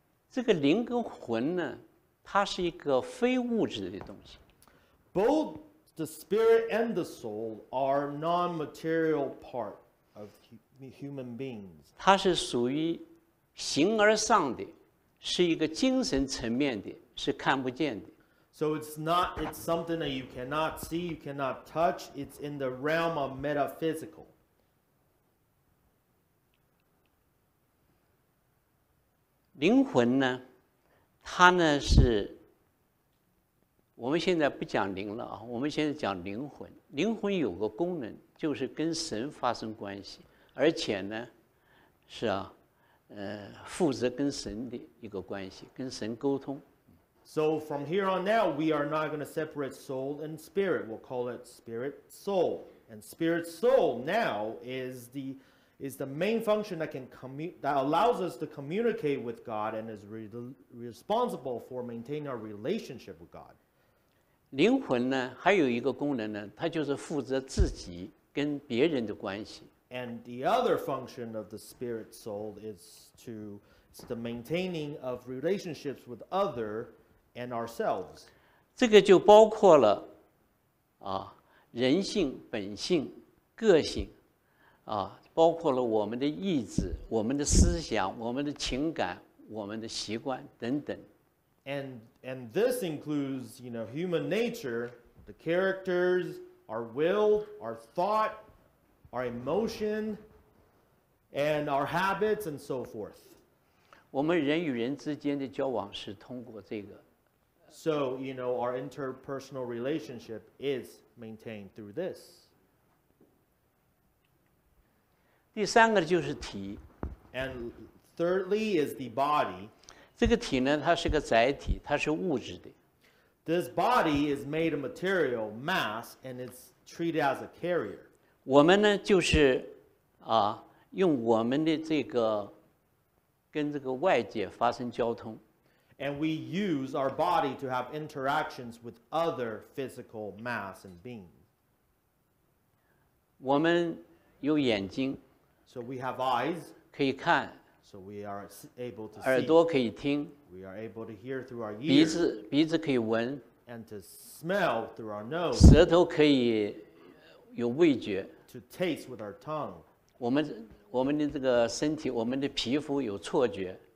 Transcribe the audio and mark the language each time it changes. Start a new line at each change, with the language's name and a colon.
Chinese: 这个灵跟魂呢，它是一个非物质的东西。
English: Both the spirit and the soul are non-material part of human beings.
Chinese: 它是属于形而上的，是一个精神层面的，是看不见的。
English: So it's something that you cannot see, you cannot touch. It's in the realm of metaphysical.
Chinese: 灵魂呢，它呢是。我们现在不讲灵了，我们现在讲灵魂。灵魂有个功能，就是跟神发生关系，而且呢，是啊，负责跟神的一个关系，跟神沟通。
English: So from here on out, we are not going to separate soul and spirit. We'll call it spirit soul. And spirit soul now is the main function that allows us to communicate with God and is responsible for maintaining our relationship with God.
Chinese: 灵魂呢，还有一个功能呢，它就是负责自己跟别人的关系。
English: And the other function of the spirit soul is the maintaining of relationships with other and ourselves.
Chinese: 这个就包括了，人性、本性、个性，包括了我们的意志、我们的思想、我们的情感、我们的习惯等等。
English: And this includes, you know, human nature, the characters, our will, our thought, our emotion, and our habits, and so forth.
Chinese: 我们人与人之间的交往是通过这个。
English: So, you know, our interpersonal relationship is maintained through this.
Chinese: 第三个就是体。
English: And thirdly is the body.
Chinese: 这个体呢，它是个载体，它是物质的。
English: This body is made of material mass, and it's treated as a carrier.
Chinese: 我们呢，就是用我们的这个跟这个外界发生交通。
English: And we use our body to have interactions with other physical mass and beings.
Chinese: 我们有眼睛
English: ，so we have eyes,
Chinese: 可以看。
English: So we are able to see.
Chinese: 耳朵可以听。
English: We are able to hear through our ears.
Chinese: 鼻子可以闻。
English: And to smell through our nose.
Chinese: 舌头可以有味觉。
English: To taste with our tongue.
Chinese: 我们的这个身体，我们的皮肤有错觉。